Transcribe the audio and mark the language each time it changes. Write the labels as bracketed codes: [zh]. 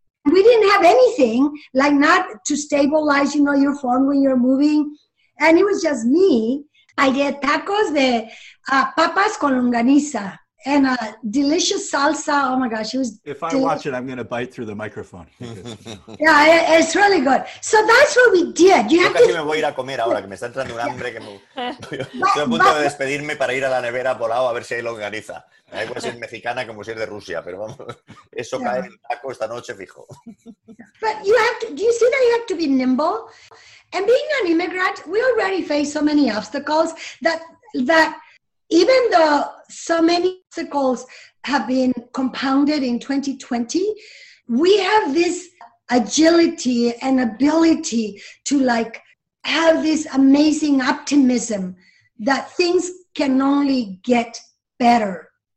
[en] We didn't have anything, like not to stabilize, you know, your phone when you're moving. And it was just me. I did tacos de papas con longaniza and a delicious salsa. Oh my gosh, it was Watch it, I'm going to bite through the microphone. Yeah, it's really good. So that's what we did. You have to... [es] Casi me voy a ir a comer ahora, que me está entrando un hambre. Estoy a punto de despedirme para ir a la nevera por lado a ver si hay longaniza. Ahí puede ser mexicana como si es de Rusia, pero vamos, eso cae en el taco esta noche, fijo. [en] But you have to, do you see that you have to be nimble? And being an immigrant, we already face so many obstacles that even though so many obstacles have been compounded in 2020, we have this agility and ability to like have this amazing optimism that things can only get better.